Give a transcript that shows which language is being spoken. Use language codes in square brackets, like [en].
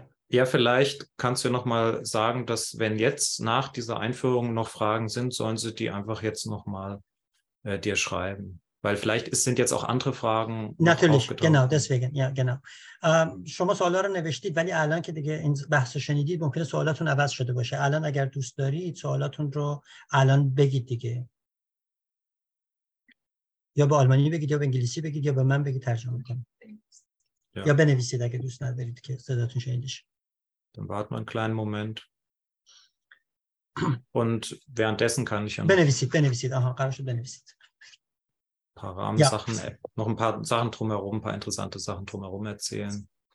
[de] Ja, vielleicht kannst du noch mal sagen, dass wenn jetzt nach dieser Einführung noch Fragen sind, sollen sie die einfach jetzt noch mal dir schreiben. Weil vielleicht sind jetzt auch andere Fragen natürlich, genau, deswegen, ja, genau. [fa] شما سوالات رو نوشتید ولی الان که دیگه این بحث رو شنیدید ممکنه سوالاتون عوض شده باشه. الان اگر دوست دارید سوالاتون رو الان بگید دیگه. یا به آلمانی بگید یا به انگلیسی بگید یا به من بگید ترجمه کنم. [de] Ja. Ja, [fa] benevisi, [de] da gibt's nicht, wenn ich das dazu schenke. Dann warten wir einen kleinen Moment. Und währenddessen kann ich ja noch [fa] benevisi, [de] aha, gerade schon benevisi. Paar Rahmensachen, noch ein paar Sachen drumherum, ein paar interessante Sachen drumherum erzählen.